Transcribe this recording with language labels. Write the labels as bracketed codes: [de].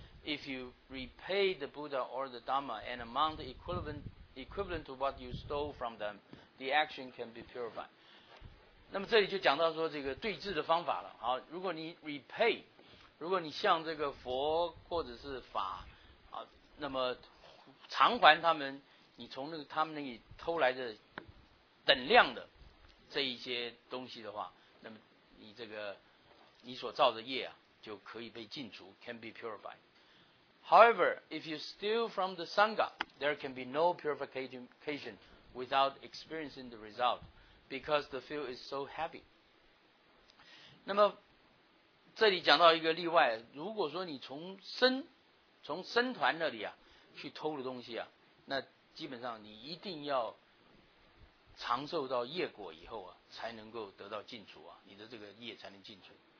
[en] If you repay the Buddha or the Dhamma an amount equivalent to what you stole from them, the action can be purified. [zh] 那么这里就讲到说这个对治的方法了。好，如果你 repay, 如果你向这个佛或者是法啊，那么偿还他们，你从那个他们那里偷来的等量的这一些东西的话，那么你这个你所造的业啊，就可以被净除 ， [en] can be purified. However, if you steal from the Sangha, there can be no purification without experiencing the result, because the field is so heavy. [zh] 那么这里讲到一个例外，如果说你从僧团那里啊去偷的东西啊，那基本上你一定要长寿到业果以后啊，才能够得到净除啊，你的这个业才能净除。